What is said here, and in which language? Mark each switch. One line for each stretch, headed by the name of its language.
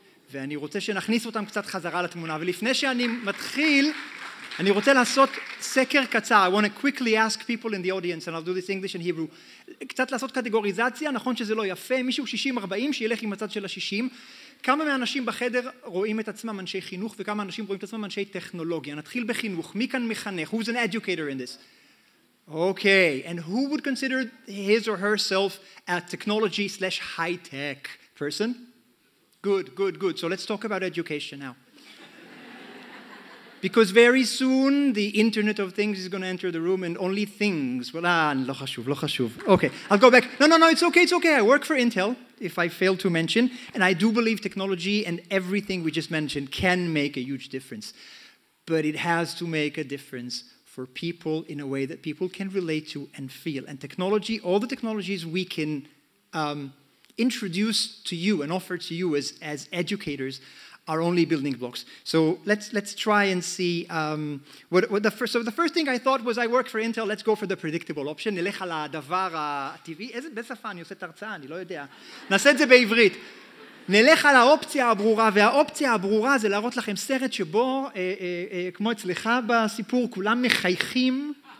Hebrew: ואני רוצה שנכניס אותם קצת חזרה לתמונה. ולפני שאני מתחיל, אני רוצה לעשות סקר קצר.
English: I want to quickly ask people in the audience, and I'll do this English and Hebrew,
Hebrew: קצת לעשות קטגוריזציה, נכון שזה לא יפה, מישהו 60-40 שילך עם הצד של ה-60, כמה מהאנשים בחדר רואים את עצמם אנשי חינוך, וכמה אנשים רואים את עצמם אנשי טכנולוגיה. נתחיל בחינוך, מי כאן מחנך?
English: Who's an educator in this? Okay, and who would consider his or herself a technology / high-tech person? Good, good, good. So let's talk about education now. Because very soon the Internet of Things is going to enter the room and only things. Well,
Hebrew: לא חשוב, לא חשוב.
English: Okay, I'll go back. No, no, no, it's okay, it's okay. I work for Intel, if I fail to mention. And I do believe technology and everything we just mentioned can make a huge difference. But it has to make a difference for people in a way that people can relate to and feel. And technology, all the technologies we can introduce to you and offer to you as educators are only building blocks. So let's try and see the first thing I thought was I work for Intel, let's go for the predictable option.
Hebrew: נלך על הדבר הטבעי. איזה בשפה אני עושה את הרצאה? אני לא יודע. נעשה את זה בעברית. נלך על האופציה הברורה, והאופציה הברורה זה להראות לכם סרט שבו, כמו אצלך בסיפור, כולם מחייכים.